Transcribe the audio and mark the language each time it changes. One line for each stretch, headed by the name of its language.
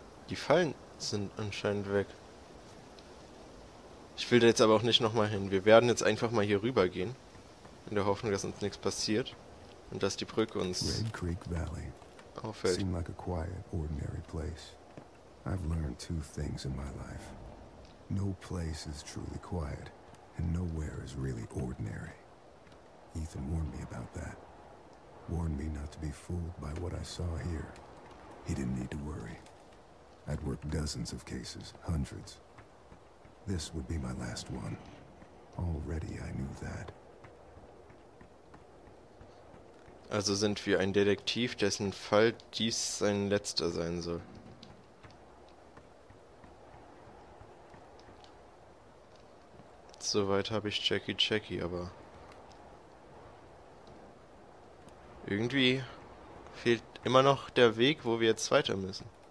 German: Die Fallen sind anscheinend weg. Ich will da jetzt aber auch nicht nochmal hin. Wir werden jetzt einfach mal hier rüber gehen. In der Hoffnung, dass uns nichts passiert. Und dass die Brücke uns auffällt.
English: Seemed like a quiet, ordinary place. I've learned two things in my life. No place is truly quiet, and nowhere is really ordinary. Ethan warned me about that. Warned me not to be fooled by what I saw here. He didn't need to worry. I'd worked dozens of cases, hundreds. This would be my last one. Already I knew that.
German: Also sind wir ein Detektiv, dessen Fall dies sein letzter sein soll. Soweit habe ich Jackie, aber irgendwie fehlt immer noch der Weg, wo wir jetzt weiter müssen.